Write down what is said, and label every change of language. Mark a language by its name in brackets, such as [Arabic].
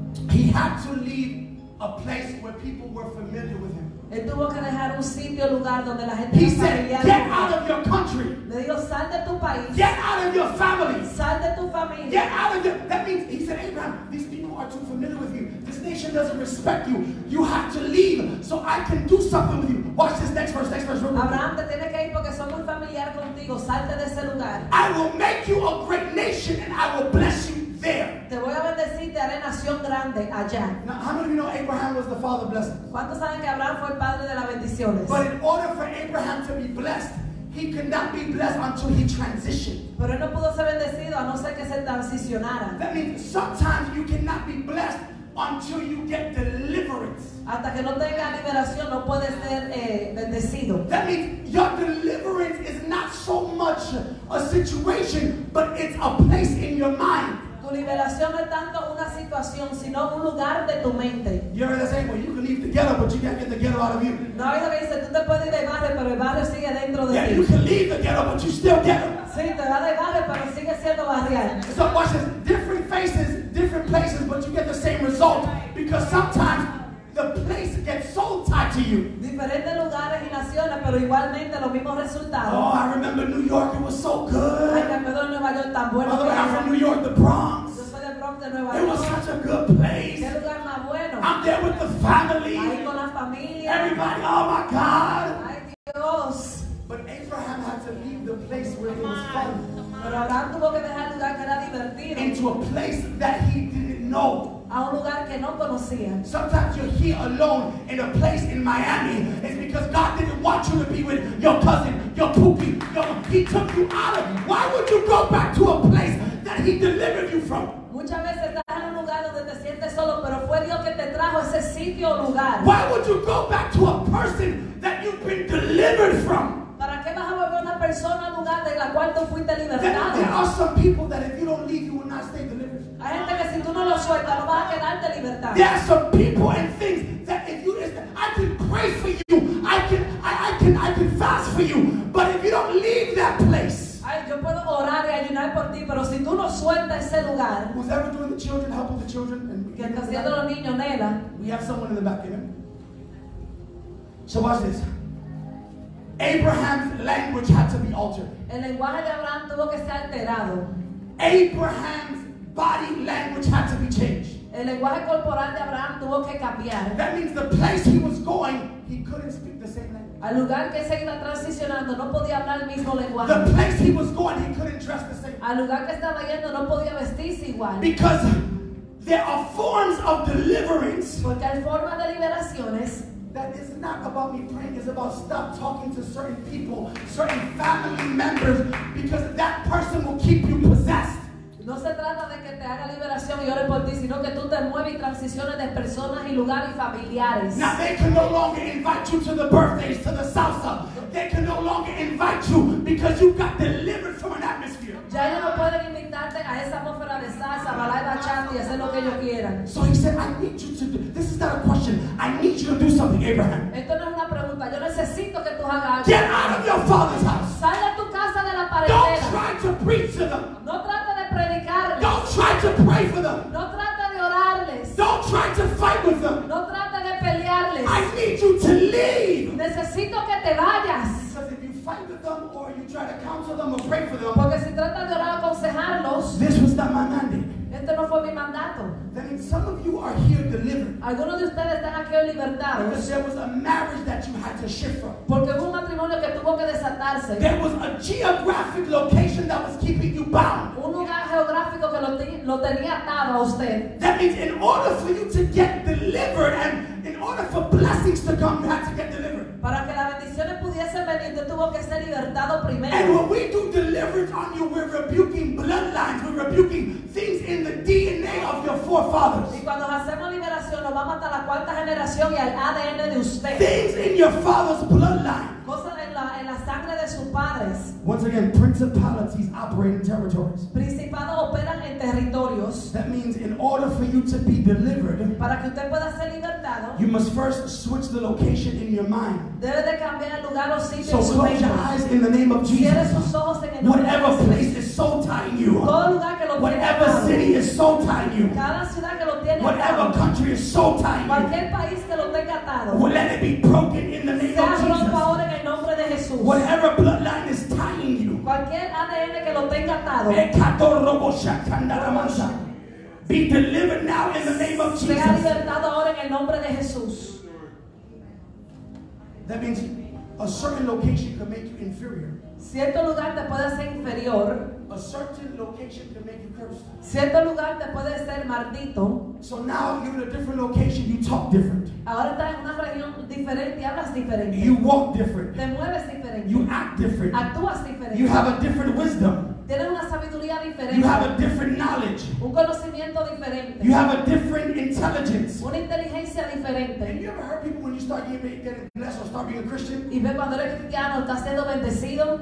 [English] He had to leave a place where people were familiar with him. [Spanish] Él tuvo que dejar un sitio, lugar donde la gente [English] he said, get out of your country. [Spanish] Le dijo, sal de tu país. [English] Get out of your family. [Spanish] Sal de tu familia. [English] Get out of your... That means, he said, Abraham, these people are too familiar with you. This nation doesn't respect you. You have to leave so I can do something with you. Watch this next verse. [Spanish] Abraham, te tienes que ir porque soy muy familiar contigo. Salte de ese lugar. [English] I will make you a great nation and I will bless you there. [Spanish] Te voy a bendecir, te haré nación grande allá. [English] Now, how many of you know Abraham was the father of blessings? [Spanish] ¿Cuántos saben que Abraham fue el padre de las bendiciones? [English] But in order for Abraham to be blessed, he could not be blessed until he transitioned. [Spanish] Pero él no pudo ser bendecido a no ser que se transicionara. [English] That means sometimes you cannot be blessed until you get deliverance. [Spanish] Hasta que no tenga liberación, no puede ser bendecido. [English] That means your deliverance is not so much a situation, but it's a place in your mind. [Spanish] Tu liberación no es tanto una situación, sino un lugar de tu mente. [English] You heard the same way, you can leave the ghetto, but you can't get the ghetto out of you. [Spanish] No, hay lo que dice, tú te puedes ir de barrio, pero el barrio sigue dentro de ti. [English] Yeah, you can leave the ghetto, but you still ghetto. [Spanish] Sí, te va de barrio, pero sigue siendo barrio. [English] So watch this, different faces, different places, but you get the same result. Because sometimes the place gets so tied to you. [Spanish] Diferentes lugares y naciones, pero igualmente los mismos resultados. [English] Oh, I remember New York, it was so good. [Spanish] Ay, me acuerdo de Nueva York, tan bueno. [English] By the way, I'm from New York, the Bronx. [Spanish] Yo soy del Bronx, de Nueva [English] York. It was such a good place. [Spanish] Qué lugar más bueno. [English] I'm there with the family. [Spanish] Ahí con la familia. [English] Everybody, oh my God. [Spanish] Ay, Dios. [English] But Abraham had to leave the place where he was fun. [Spanish] Pero Abraham tuvo que dejar el lugar que era divertido. [English] Into a place that he didn't know. [Spanish] A un lugar que no conocía. [English] Sometimes you're here alone in a place in Miami. It's because God didn't want you to be with your cousin, your poopy, he took you out of. Why would you go back to a place that he delivered you from? [Spanish] Muchas veces estás en un lugar donde te sientes solo, pero fue Dios que te trajo ese sitio o lugar. [English] Why would you go back to a person that you've been delivered from? [Spanish] ¿Para qué vas a volver a una persona, lugar de la cual tú fuiste libertado? [English] There are some people that if you don't leave, you will not stay delivered. [Spanish] Hay gente que si tú no lo sueltas, no vas a quedarte libertado. [English] There are some people and things that if you just, I can pray for you, I can fast for you, but if you don't leave that place. [Spanish] Ay, yo puedo orar y ayunar por ti, pero si tú no sueltas ese lugar. [English] Who's ever doing the children, helping the children? [Spanish] Que está haciendo los niños, nena. [English] We have someone in the back, amen? So watch this. Abraham's language had to be altered. [Spanish] El lenguaje de Abraham tuvo que ser alterado. [English] Abraham's body language had to be changed. [Spanish] El lenguaje corporal de Abraham tuvo que cambiar. [English] That means the place he was going, he couldn't speak the same language. [Spanish] Al lugar que se iba transicionando, no podía hablar el mismo lenguaje. [English] The place he was going, he couldn't dress the same. [Spanish] Al lugar que estaba yendo, no podía vestirse igual. [English] Because there are forms of deliverance. [Spanish] Porque hay formas de liberaciones. [English] That is not about me praying. It's about stop talking to certain people, certain family members, because that person will keep you possessed. [Spanish] No se trata de que te haga liberación y ore por ti, sino que tú te mueves y transiciones de personas y lugares familiares. [English] Now they can no longer invite you to the birthdays, to the salsa. They can no longer invite you because you got delivered from an atmosphere. [Spanish] Ya ellos no pueden invitarte a esa atmósfera de salsa, bailar, bachata y hacer lo que ellos quieran. [English] So he said, I need you to do, this is not a question, I need you to do something, Abraham. [Spanish] Esto no es una pregunta, yo necesito que tú hagas algo. [English] Get out of your father's house. [Spanish] Sal de tu casa de la pared. [English] Don't try to preach to them. [Spanish] No trata de predicarles. [English] Don't try to pray for them. [Spanish] No trata de orarles. [English] Don't try to fight with them. [Spanish] No trata de pelearles. [English] I need you to leave. [Spanish] Necesito que te vayas. [English] Because if you fight with them or you try to counsel them or pray for them. [Spanish] Porque si trata de orar o aconsejarlos. [English] This was not my mandate. [Spanish] Este no fue mi mandato. [English] That means some of you are here delivered. [Spanish] Algunos de ustedes están aquí en libertad. [English] Because there was a marriage that you had to shift from. [Spanish] Porque hubo un matrimonio que tuvo que desatarse. [English] There was a geographic location that was keeping you bound. [Spanish] Un lugar geográfico que lo tenía atado a usted. [English] That means in order for you to get delivered and in order for blessings to come, you had to get delivered. [Spanish] Para que las bendiciones pudiesen venir, usted tuvo que ser libertado primero. [English] And when we do deliverance on you, we're rebuking bloodlines, we're rebuking things in the DNA of your forefathers. [Spanish] Y cuando hacemos liberación, nos vamos hasta la cuarta generación y al ADN de usted. [English] Things in your father's bloodline. [Spanish] Cosas en la sangre de sus padres. [English] Once again, principalities operate in territories. [Spanish] Principados operan en territorios. [English] That means in order for you to be delivered, [Spanish] para que usted pueda ser libertado, [English] you must first switch the location in your mind. [Spanish] Debe de cambiar el lugar o sitio. [English] So close your eyes in the name of Jesus. [Spanish] Sus ojos en el [English] whatever place is soul tying you, [Spanish] todo lugar que lo [English] whatever city is soul tying you, [Spanish] cada ciudad que lo tiene [English] whatever our country is so tight. [Spanish] Cualquier país que lo tenga atado. [English] Well, let it be broken in the name [Spanish] sea [English] of Jesus. [Spanish] Ahora en el nombre de Jesús. [English] Whatever bloodline is tying you. [Spanish] Cualquier ADN que lo tenga atado. [English] Be delivered now in the name of Jesus. [Spanish] Sea libertado ahora en el nombre de Jesús. [English] That means a certain location can make you inferior. [Spanish] Cierto lugar te puede hacer inferior. [English] A certain location can make you cursed. [Spanish] Cierto lugar te puede ser maldito. [English] So now you're in a different location, you talk different. [Spanish] Ahora estás en una región diferente y hablas diferente. [English] You walk different. [Spanish] Te mueves diferente. [English] You act different. [Spanish] Actúas diferente. [English] You have a different wisdom. [Spanish] Tienes una sabiduría diferente. [English] You have a different knowledge. [Spanish] Un conocimiento diferente. [English] You have a different intelligence. [Spanish] Una inteligencia diferente. [English] And you ever heard people when you start getting blessed or start being a Christian? [Spanish] Y ve cuando eres cristiano, estás siendo bendecido.